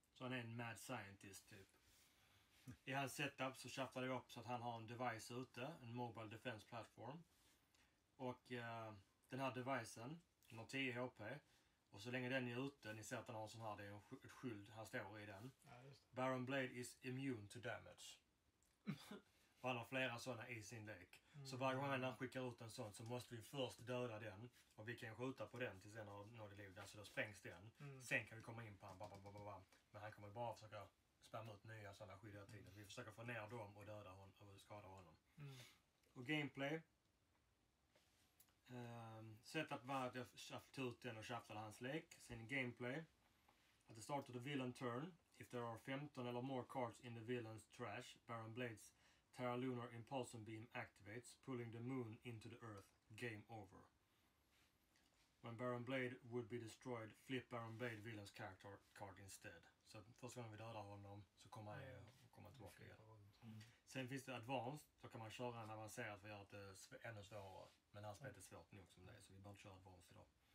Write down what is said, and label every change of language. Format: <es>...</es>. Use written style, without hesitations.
<sv>Så han är en</sv> <en>mad scientist</en> <sv>typ. I hans setup så shufflar jag upp så att han har en device ute. En</sv> <en>mobile defense platform.</en> <sv>Och den här devicen, den har 10 HP. Och så länge den är ute, ni ser att han har en sån här, det är ett skyld han står i den. Ja, just det.</sv> <en>Baron Blade is immune to damage.</en> <sv>Och han har flera sådana i sin lek. Mm. Så varje gång han skickar ut en sån så måste vi först döda den. Och vi kan skjuta på den tills den har nått i liv. Alltså då sprängs den. Mm. Sen kan vi komma in på han. Men han kommer bara försöka spamma ut nya sådana skyddiga tider. Vi försöker få ner dem och döda honom och skada honom. Mm. Och gameplay. Setup var att jag tog ut den och shufflade hans lek. Sen gameplay.</sv> <en>At the start of the villain turn. If there are 15</en> <sv>eller</sv> <en>more cards in the villain's trash. Baron Blades. Terra Lunar Impulsion Beam activates, pulling the moon into the earth. Game over. When Baron Blade would be destroyed, flip Baron Blade villain's character card instead.</en> <sv>Så första gången vi dödar honom så kommer han komma tillbaka igen. Sen finns det advanced, då kan man köra en avancerad för att det är ännu svårare. Men han spelar svårt nog som det är, så vi bör inte köra advanced idag.</sv>